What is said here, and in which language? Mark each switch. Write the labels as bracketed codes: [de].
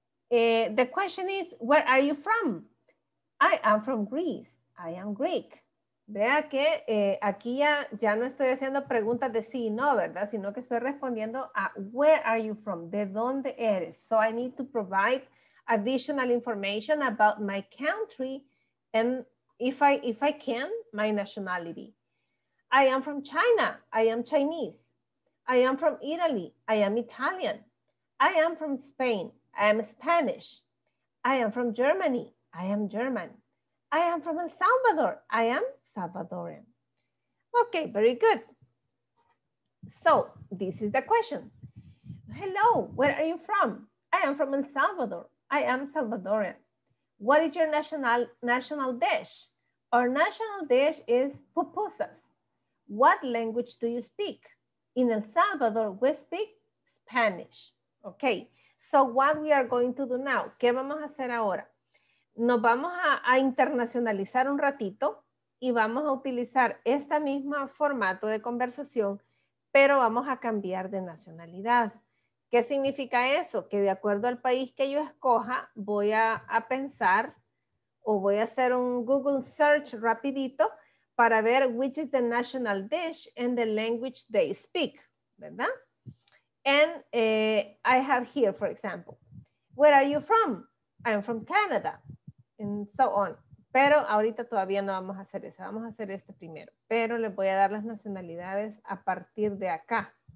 [en] The question is, where are you from? I am from Greece. I am Greek. [es] Vea que aquí ya no estoy haciendo preguntas de sí y no, ¿verdad? Sino que estoy respondiendo a [en] where are you from? [es] ¿De dónde eres? [en] So I need to provide additional information about my country and if I can, my nationality. I am from China. I am Chinese. I am from Italy. I am Italian. I am from Spain. I am Spanish. I am from Germany. I am German. I am from El Salvador. I am Salvadorian. Okay, very good. So this is the question. Hello, where are you from? I am from El Salvador. I am Salvadorian. What is your national dish? Our national dish is pupusas. What language do you speak? In El Salvador, we speak Spanish. Okay, so what we are going to do now? [es] ¿Qué vamos a hacer ahora? Nos vamos a internacionalizar un ratito y vamos a utilizar este mismo formato de conversación, pero vamos a cambiar de nacionalidad. ¿Qué significa eso? Que de acuerdo al país que yo escoja, voy a pensar o voy a hacer un Google search rapidito para ver [en] which is the national dish and the language they speak, [es] ¿verdad? [en] And I have here, for example, where are you from? I'm from Canada, and so on. [es] Pero ahorita todavía no vamos a hacer eso, vamos a hacer este primero. Pero les voy a dar las nacionalidades a partir de acá.